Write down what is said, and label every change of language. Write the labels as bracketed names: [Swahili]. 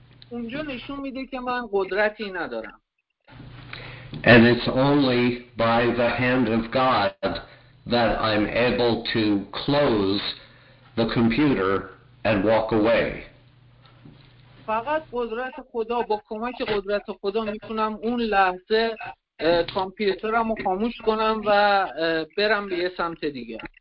[Persian] اونجا نشون میده که من قدرتی ندارم. [English] And it's only by the hand of God that I'm able to close the computer and walk away. [Persian] فقط قدرت خدا، با کمک قدرت خدا میتونم اون لحظه کامپیوترم رو خاموش کنم و برم به یه سمت دیگه.